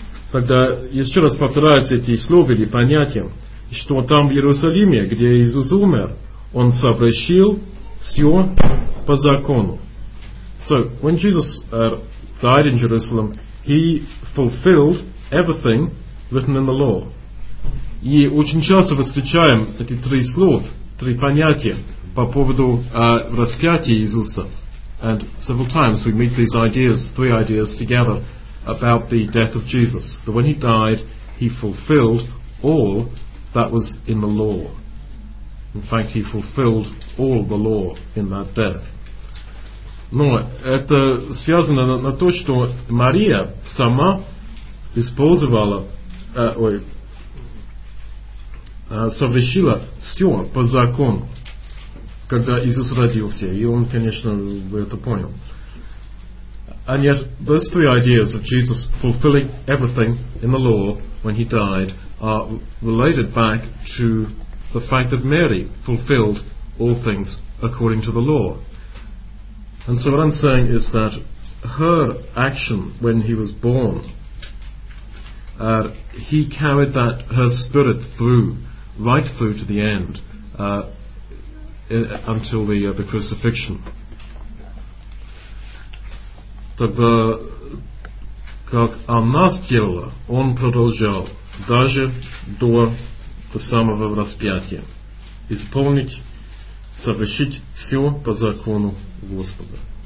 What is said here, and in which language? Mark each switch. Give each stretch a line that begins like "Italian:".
Russian: Тогда еще раз повторяются эти слова или понятия, что там в Иерусалиме, где Иисус умер, он совершил все по закону.
English: So, when Jesus died in Jerusalem, he fulfilled everything written in the law.
Russian: И очень часто встречаем эти три слова три понятия по поводу распятия Иисуса.
English: And several times we meet these ideas, three ideas together about the death of Jesus. That when he died, he fulfilled all that was in the law. In fact, he fulfilled all the law in that death.
Russian: Но это связано на то, что Мария сама использовала, совершила все по закону, когда Иисус родился, и он, конечно, это понял.
English: And yet, those three ideas of Jesus fulfilling everything in the law when he died are related back to the fact that Mary fulfilled all things according to the law. And so what I'm saying is that her action when he was born, he carried that her spirit through, right through to the end, until the crucifixion.
Russian: Тогда, как она сделала, он продолжал даже до самого распятия исполнить, совершить все по закону Господа.